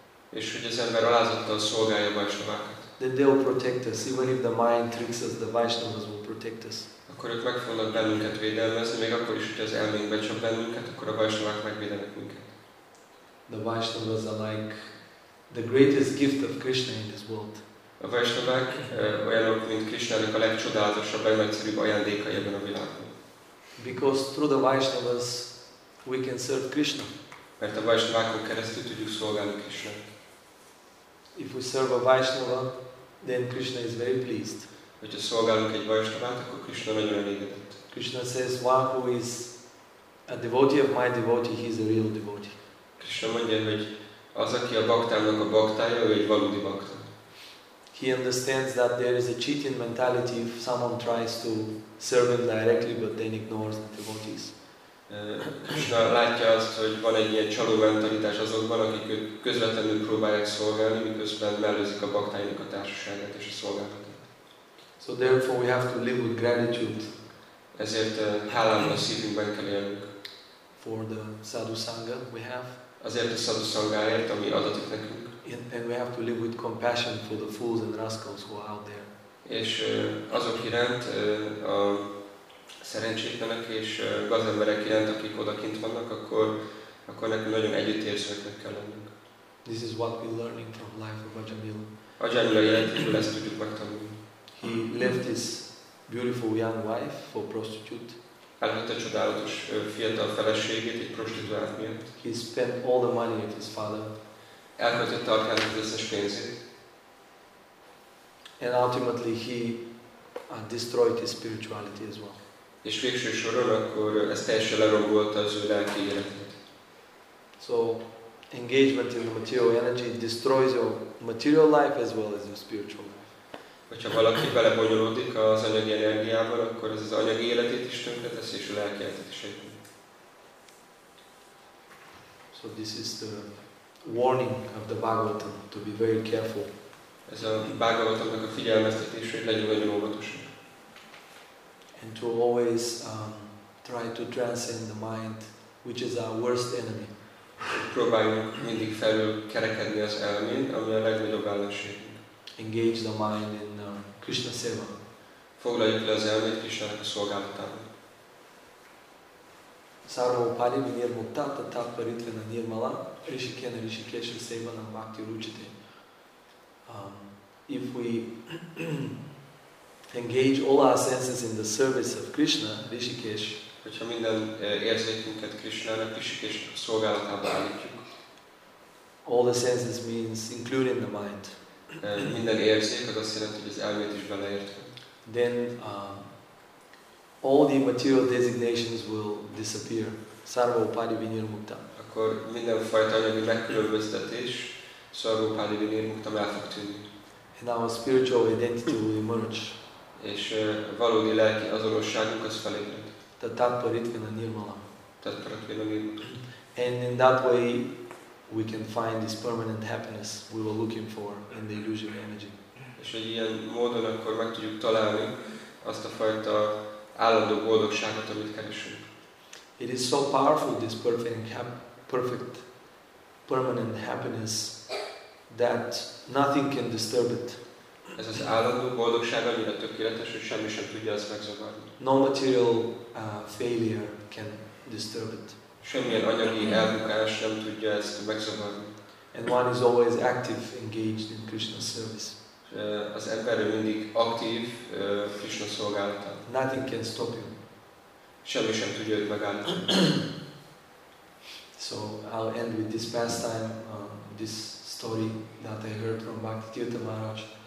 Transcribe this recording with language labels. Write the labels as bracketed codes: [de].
[hu] És hogy az ember alázattal szolgálja a Vaishnavákat. [en] Then they will protect us, even if the mind tricks us, the Vaishnavas will protect us. [hu] Akkor ők meg fognak bennünket védelmezni, még akkor is, hogy az elménk becsap bennünket, akkor a Vaishnavák megvédenek minket. [en] The Vaishnavas are like the greatest gift of Krishna in this world. [hu] A Vaishnavák olyanok, mint Krishnának a legcsodálatosabb, legnagyszerűbb ajándékai ebben a világban. [en] Because through the Vaishnavas we can serve Krishna. [hu] Mert a Vaishnavákon keresztül tudjuk szolgálni Krishnát. [en] If we serve a Vaishnava, then Krishna is very pleased. [hu] Hogyha szolgálunk egy Vaishnavát, akkor Krishna nagyon elégedett. [en] Krishna says, one who is a devotee of my devotee, he is a real devotee. [hu] Krishna mondja, hogy az, aki a baktának a baktája, ő egy valódi bakta. [en] He understands that there is a cheating mentality if someone tries to serve him directly, but then ignores the devotees. [hu] Krishna látja azt, hogy van egy ilyen csaló mentalitás azokban, akik közvetlenül próbálják szolgálni, miközben mellőzik a baktáinak a társaságát és a szolgálatát. [en] So therefore we have to live with gratitude. [hu] Ezért hálával a szívünkben kell élnünk. [en] For the sadhu sangha we have. [hu] Azért a sadhu sanghaért, ami adatik nekünk. [en] And we have to live with compassion for the fools and rascals who are out there. [hu] És azok iránt a szerencsétlenek és gazemberek iránt, akik odakint vannak, akkor nekünk nagyon együttérzőknek kell lennünk. [en] This is what we're learning from life of Ajamila. [hu] Ajamila életéből ezt tudjuk megtanulni. [en] He left his beautiful young wife for prostitute. [hu] Elhagyta a csodálatos fiatal feleségét egy prostituált miatt. [en] He spent all the money of his father. [hu] Elköltötte apjának az összes pénzét. [en] And ultimately he destroyed his spirituality as well. [hu] És végső soron akkor ez teljesen lerombolta az ő lelki életet. [en] So engagement in the material energy destroys your material life as well as your spiritual life. [hu] Hogyha valaki belebonyolódik az anyagi energiában, akkor ez az anyagi életét is tönkretesz és a lelki életet is egyben. [en] So this is the warning of the Bhagavatam to be very careful. [hu] Ez a Bhagavatamnak a figyelmeztetés, hogy legyünk nagyon óvatosak. [en] And to always try to transcend the mind, which is our worst enemy. [hu] Próbáljunk mindig felülkerekedni az elmén, ami a legnagyobb ellenségünk. [en] Engage the mind in Krishna seva. [hu] Foglaljuk le az elmét Krishna szolgálatában. [sa] Sarvopali vinir muttata tatparitvena nirmala rishikena rishikesha sevanam bhakti ruchite. [en] If we engage all our senses in the service of Krishna, Rishikesh. [hu] Hogyha minden érzékünket Krishnának, Rishikesh szolgálatába állítjuk. [en] All the senses means including the mind. [hu] Minden érzék, az azt jelenti, hogy az elmét is beleértve. [en] Then all the material designations will disappear. [sa] Sarvopadi vinir mukta. [hu] Akkor mindenfajta anyagi megkülönböztetés, [sa] Sarvopadi vinir mukta [hu] el fog tűnni. [en] And our spiritual identity will emerge. [hu] És valódi lelki azonosságunk az felébred. [sa] Tatparitvina nirmala. Tatparitvina nirmala. [en] And in that way we can find this permanent happiness we were looking for in the illusory energy. [hu] És egy ilyen módon akkor meg tudjuk találni azt a fajta állandó boldogságot, amit keresünk. [en] It is so powerful, this perfect permanent happiness, that nothing can disturb it. [hu] Ez az állandó boldogság annyira tökéletes, hogy semmi sem tudja ezt megzavarni. [en] No material failure can disturb it. [hu] Semmilyen anyagi elbukás nem tudja ezt megzavarni. [en] And one is always active, engaged in Krishna's service. [hu] Az ember mindig aktív Krishna szolgálatán. [en] Nothing can stop you. [hu] Semmi sem tudja őt megállítani. [en] So I'll end with this pastime, this story that I heard from Bhakti Tirtha Maharaj.